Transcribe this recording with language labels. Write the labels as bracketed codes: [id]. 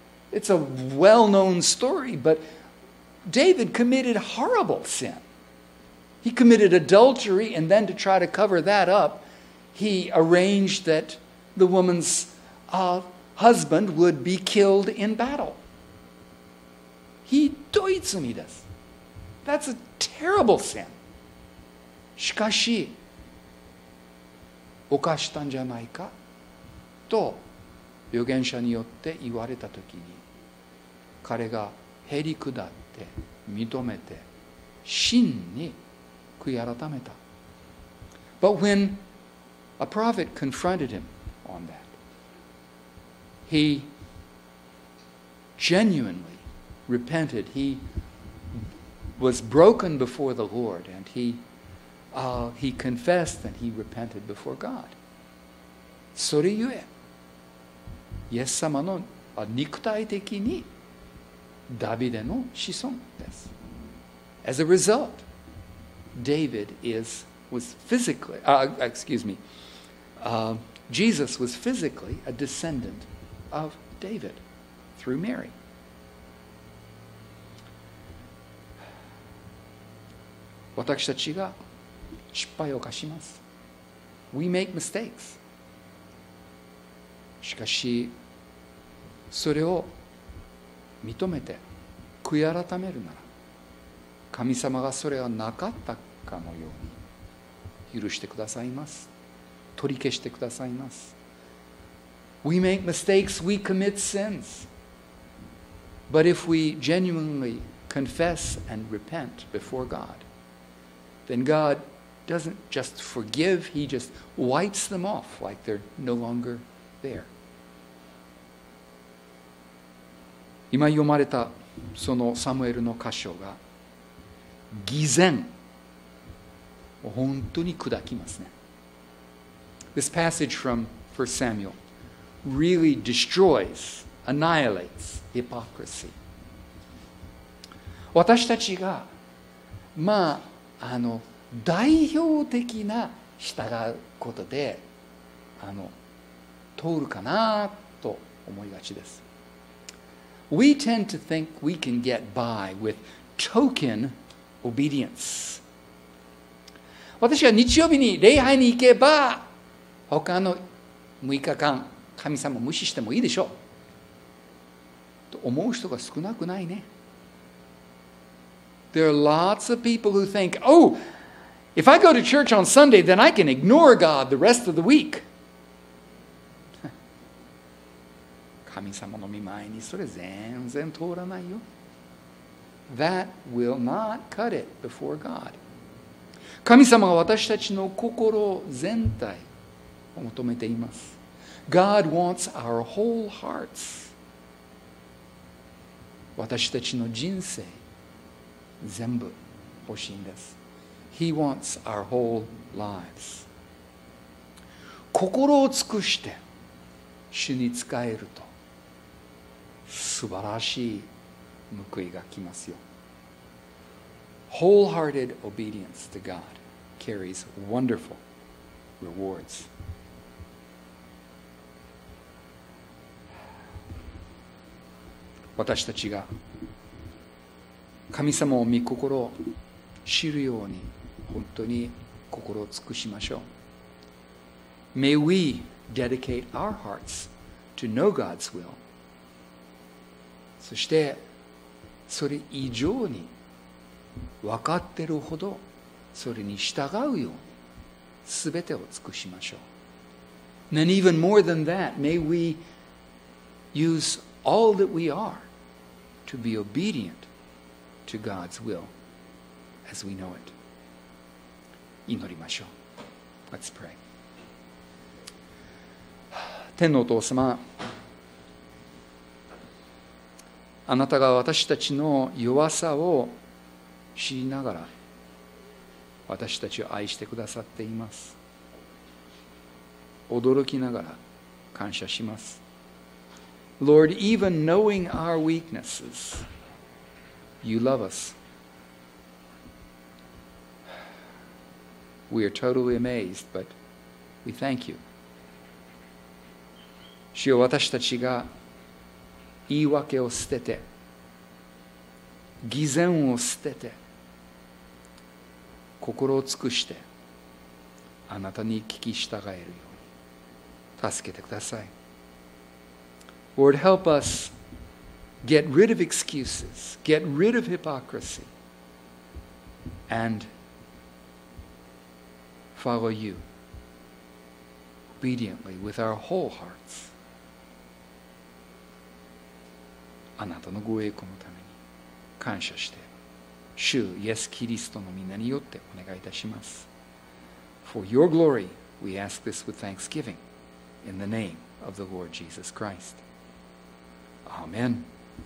[en] It's a well-known story, but David committed horrible sin. He committed adultery, and then to try to cover that up, he arranged that the woman's husband would be killed in battle. [ja] ひどい罪です。 [en] That's a terrible sin. [ja] しかし、犯したんじゃないかと預言者によって言われたときに、彼がへり下って認めて真に悔い改めた。 [en] But when a prophet confronted him on that, he genuinelyrepented, he was broken before the Lord, and he confessed and he repented before God. [ja] それゆえ、イエス様の肉体的にダビデの子孫です。 [en] As a result, David is was physically, excuse me, Jesus was physically a descendant of David through Mary. [ja] 私たちが失敗を犯します。 [en] We make mistakes. [ja] しかし、それを認めて悔い改めるなら、神様がそれはなかったかのように許してくださいます。取り消してくださいます。 [en] We make mistakes. We commit sins. But if we genuinely confess and repent before God,then God doesn't just forgive, He just wipes them off like they're no longer there. [ja] 今読まれたそのサムエルの箇所が偽善を本当に砕きますね。 [en] This passage from 1 Samuel really destroys, annihilates hypocrisy. [ja] 私たちがまあ代表的な従うことで通るかなと思いがちです。 [en] We tend to think we can get by with token obedience. [ja] 私は日曜日に礼拝に行けば他の6日間神様無視してもいいでしょうと思う人が少なくないね。 [en] There are lots of people who think, oh, if I go to church on Sunday, then I can ignore God the rest of the week. [ja] 神様の御前にそれ全然通らないよ。 [en] That will not cut it before God. [ja] 神様は私たちの心全体を求めています。 [en] God wants our whole hearts. [ja] 私たちの人生。全部欲しいんです。 [en] He wants our whole lives. [ja] 心を尽くして主に仕えると素晴らしい報いが来ますよ。 [en] Wholehearted obedience to God carries wonderful rewards. [ja] 私たちが神様を御心を知るように本当に心を尽くしましょう。 [en] May we dedicate our hearts to know God's will. [ja] そしてそれ以上に分かっているほどそれに従うように全てを尽くしましょう。 [en] Then even more than that, may we use all that we are to be obedient to God's will as we know it. [ja] 祈りましょう。 [en] Let's pray. [ja] 天のお父様、あなたが私たちの弱さを知りながら私たちを愛してくださっています。驚きながら感謝します。 [en] Lord, even knowing our weaknesses, you love us. We are totally amazed, but we thank you. [ja] 主よ、私たちが言い訳を捨てて偽善を捨てて心を尽くしてあなたに聞き従えるように助けてください。 [en] Lord, help us get rid of excuses, get rid of hypocrisy, and follow you obediently with our whole hearts. [ja] あなたのご栄光のために感謝して主イエスキリストの御名によってお願いいたします。 [en] For your glory, we ask this with thanksgiving in the name of the Lord Jesus Christ. Amen.